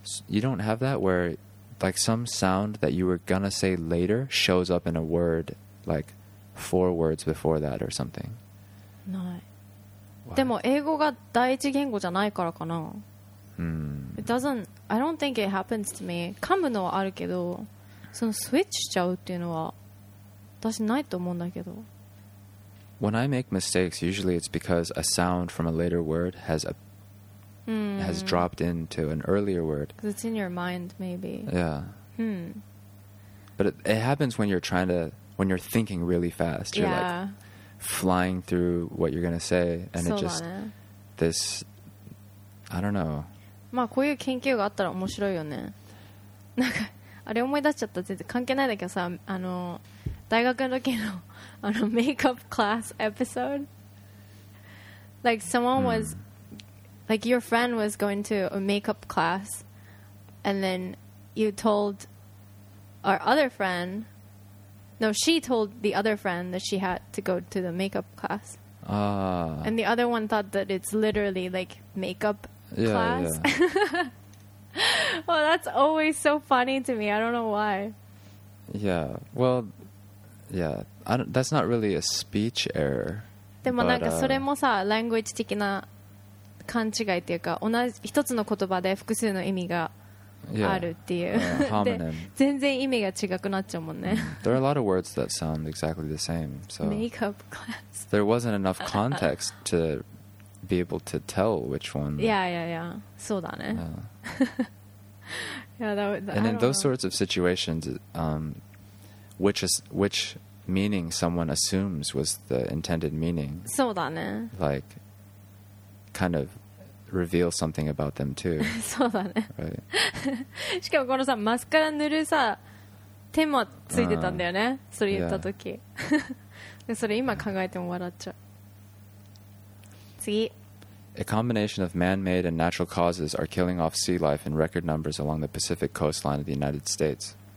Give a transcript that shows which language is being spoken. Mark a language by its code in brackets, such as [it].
[en] You don't have that where like some sound that you were gonna say later shows up in a word like four words before that or something. [ja] ない。でも英語が第一言語じゃないからかな。 [en] I don't think it happens to me. [ja] 噛むのはあるけど、そのスイッチしちゃうっていうのは私ないと思うんだけど。 [en] When I make mistakes, usually it's because a sound from a later word has dropped into an earlier word. Because it's in your mind, maybe. Yeah. But it happens when you're thinking really fast. Yeah. You're like flying through what you're going to say. And it just, this, I don't know. [ja] まあこういう研究があったら面白いよね。なんかあれ思い出しちゃった全然関係ないだけどさ、あの、大学の時の [en] on a makeup class episode like someone was like your friend was going to a makeup class and then you told our other friend no she told the other friend that she had to go to the makeup class and the other one thought that it's literally like makeup class yeah. well that's always so funny to me I don't know why yeah well yeah I don't, that's not really a speech error. [ja] でもなんかそれもさ、language 的な勘違いっていうか、同じ一つの言葉で複数の意味があるっていう。で、全然意味が違くなっちゃうもんね。 [en] There are a lot of words that sound exactly the same. So makeup class. There wasn't enough context to be able to tell which one. Yeah, yeah, yeah. [ja] そうだね。 [en] Yeah, that was, and in those sorts of situations, which meaning someone assumes was the intended meaning. [ja] そうだね。 [en] Like, kind of. Reveal something about them too. [ja] そうだね。 [en] Right. [ja] しかもこのさマスカラ塗るさ手もついてたんだよね。それ言った時。 [en] Yeah. [ja] それ今考えても笑っちゃう。次。 [en] A combination of man-made and natural causes are killing off sea life in record numbers along the Pacific coastline of the United States.